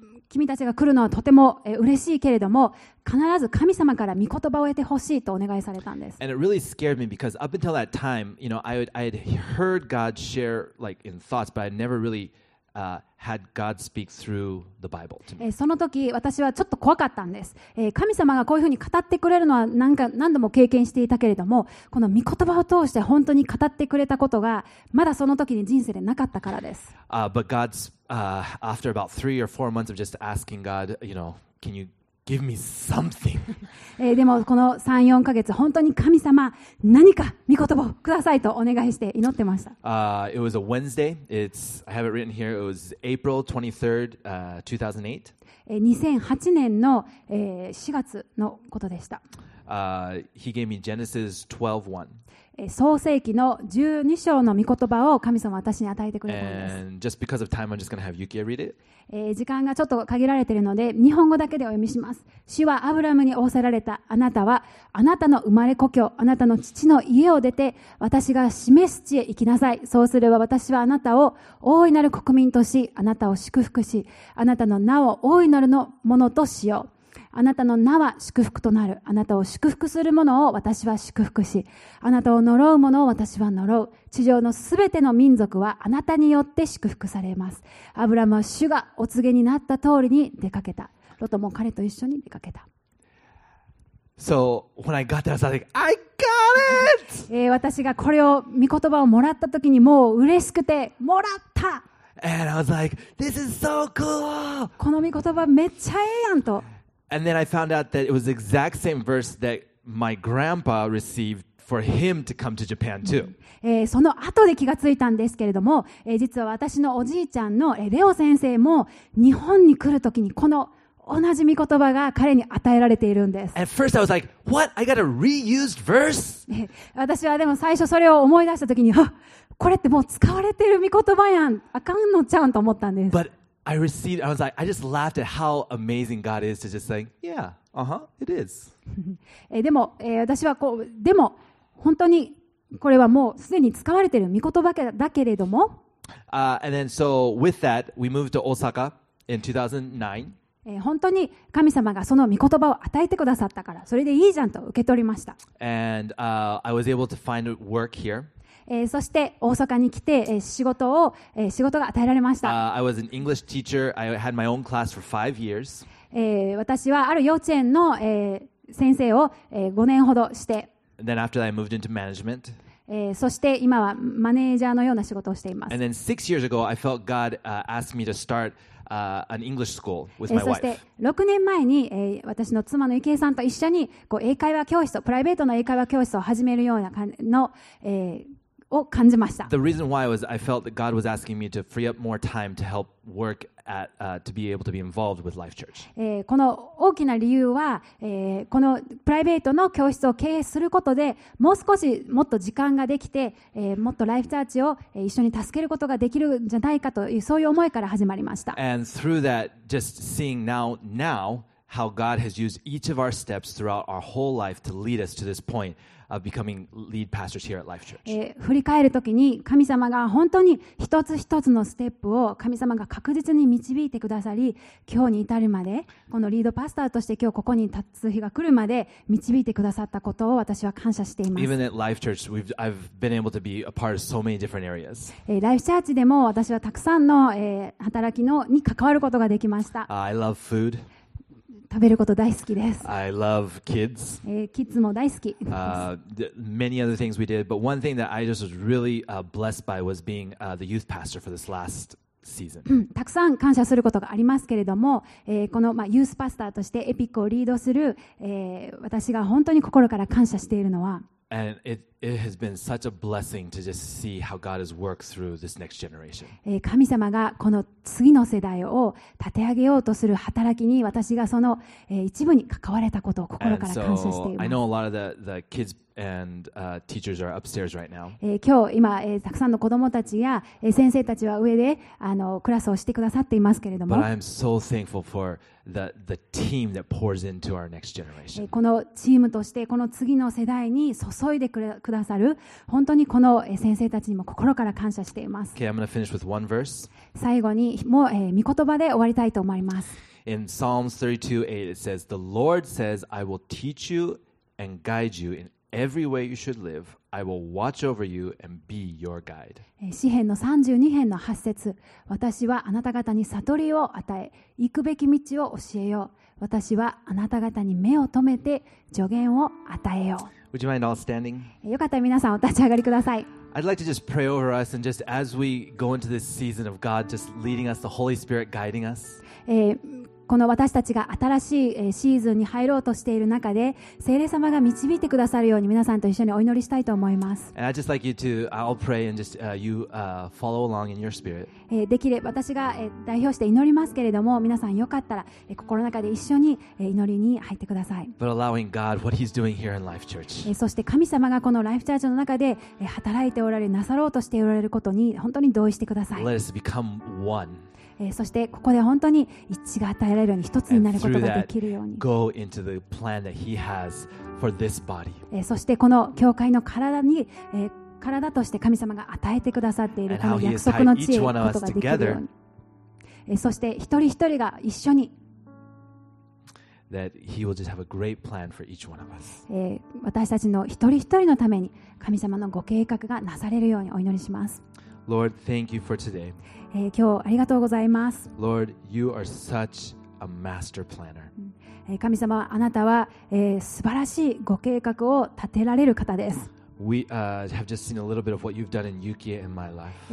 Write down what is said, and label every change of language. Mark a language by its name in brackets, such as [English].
[Japanese] 君たちが来るのはとても、嬉しいけれども、必ず神様から御言葉を得てほしいとお願いされたんです。 [English] And it really scared me because up until that time, you know, I had heard God share like in thoughts, but I never really, had God speak through the Bible to me. [Japanese] その時私はちょっと怖かったんです。神様がこういうふうに語ってくれるのは何か何度も経験していたけれども、この御言葉を通して本当に語ってくれたことがまだその時に人生でなかったからです。 [English] But God's after about three or four months of just asking God, you know, can you give me something? [Japanese] でもこの3、4ヶ月本当に神様何か御言葉をくださいとお願いして祈ってました。 [English] It was a Wednesday. It's I have it written here. It was April 23rd, 2008. [Japanese] 2008年の、4月のことでした。 [English] He gave me Genesis 12:1. [Japanese] 創世記の12章の御言葉を神様は私に与えてくれたんです。 [English] time, [Japanese] 時間がちょっと限られているので日本語だけでお読みします。主はアブラムに仰せられた。あなたはあなたの生まれ故郷あなたの父の家を出て私が示す地へ行きなさい。そうすれば私はあなたを大いなる国民としあなたを祝福しあなたの名を大いなるのものとしよう。あなたの名は祝福となる。あなたを祝福する者を私は祝福し、あなたを呪う者を私は呪う。地上のすべての民族はあなたによって祝福されます。アブラムは主がお告げになった通りに出かけた。ロトも彼と一緒に出かけた。 [English] So when I got that, I was like, I got it! [Japanese] 私がこれを、御言葉をもらった時にもう嬉しくて、もらった! [English] And I was like, this is so cool! [Japanese] この御言葉めっちゃええやんと。 [English] And then I found out that it was the exact same verse that my grandpa received for him to come to Japan too. [Japanese] その後で気がついたんですけれども、実は私のおじいちゃんのレオ先生も日本に来るときにこの同じ御言葉が彼に与えられているんです。 [English] At first I was like, what? I got a reused verse? [Japanese] 私はでも最初それを思い出したときに、あ、これってもう使われている御言葉やん。あかんのちゃうんと思ったんです。 [English] But I received. I was like, I just laughed at how amazing God is to just saying, "Yeah, uh-huh, it is." [Japanese] でも、私はこう、でも本当にこれはもうすでに使われている御言葉だけれども。 [English] And then so with that, we moved to Osaka in 2009. [Japanese] 本当に神様がその御言葉を与えてくださったから、それでいいじゃんと受け取りました。 [English] And I was able to find work here. [Japanese] そして大阪に来て、仕事を、仕事が与えられました。 [English] I was an English teacher. I had my own class for 5 years. [Japanese] 私はある幼稚園の、先生を、5年ほどして。 [English] And then after that, I moved into management. [Japanese] そして今はマネージャーのような仕事をしています。 [English] And then 6 years ago, I felt God, asked me to start, an English school with my wife. [Japanese] そして6年前に、私の妻のゆきえさんと一緒にこう英会話教室、プライベートの英会話教室を始めるような感じの、を感じました。 [English] The reason why was I felt that God was asking me to free up more time to help work at, to be able to be involved with Life Church. [Japanese] この大きな理由は、このプライベートの教室を経営することで、もう少しもっと時間ができて、もっとLife Churchを一緒に助けることができるんじゃないかというそういう思いから始まりました。 [English] And through that, just seeing now how God has used each of our steps throughout our whole life to lead us to this point. Of becoming lead pastors here at Life Church. [Japanese] 振り返るときに神様が本当に一つ一つのステップを神様が確実に導いてくださり、今日に至るまでこのリードパスターとして今日ここに立つ日が来るまで導いてくださったことを私は感謝しています。 [English] Even at Life Church, I've been able to be a part of so many different areas. [Japanese] Life Church でも私はたくさんの働きのに関わることができました。 [English] I love food. [Japanese] 食べること大好きです。 [English] I love kids. [Japanese] キッズも大好き。 [English] Many other things we did, but one thing that I just was really blessed by was being the youth pastor for this last season. [Japanese] たくさん感謝することがありますけれども、このまあユースパスターとしてエピックをリードする、私が本当に心から感謝しているのは。 [English] And it has been such a blessing to just see how God has worked through this next generation. [Japanese] 神様がこの次の世代を立て上げようとする働きに私がその一部に関われたことを心から感謝しています。 [English] And so I know a lot of the kids and teachers are upstairs right now. [Japanese] 今日今たくさんの子どもたちや先生たちは上でクラスをしてくださっていますけれども。 [English] But I am so thankful for the team that pours into our next generation. [Japanese] このチームとしてこの次の世代に注いでくださる本当にこの先生たちにも心から感謝しています。 [English] Okay, I'm going to finish with one verse. [Japanese] 最後にもう御言葉で終わりたいと思います。 [English] In Psalms 32:8 it says, The Lord says, I will teach you and guide you in every way you should live. I will watch over you and be your guide. [Japanese] 詩編の32編の8節、私はあなた方に悟りを与え、行くべき道を教えよう。私はあなた方に目を留めて助言を与えよう。 [English] Would you mind all standing? [Japanese] よかったら皆さんお立ち上がりください。 [English] I'd like to just pray over us and just as we go into this season of God just leading us, the Holy Spirit guiding us. [Japanese] この私たちが新しいシーズンに入ろうとしている中で聖霊様が導いてくださるように皆さんと一緒にお祈りしたいと思います。 [English] And I'd just like you to, I'll pray and just you follow along in your spirit. [Japanese] できれば私が代表して祈りますけれども皆さんよかったら心の中で一緒に祈りに入ってください。 [English] But allowing God what he's doing here in Life Church. [Japanese] そして神様がこのLife Churchの中で働いておられなさろうとしておられることに本当に同意してください。 [English] Let us become one. [Japanese] そしてここで本当に一致が与えられるように一つになることができるように [English] go into the plan that he has for this body. [Japanese] そしてこの教会の体に、体として神様が与えてくださっているこの約束の地へ行くことができるように、そして一人一人が一緒に [English] that he will just have a great plan for each one of us. [Japanese] 私たちの一人一人のために神様のご計画がなされるようにお祈りします。 [English] Lord, thank you for today. [Japanese] 今日ありがとうございます。 [English] Lord, you are such a master planner. [Japanese] 神様、あなたは、素晴らしいご計画を立てられる方です。 [English] We have just seen a little bit of what you've done in Yuki and my life.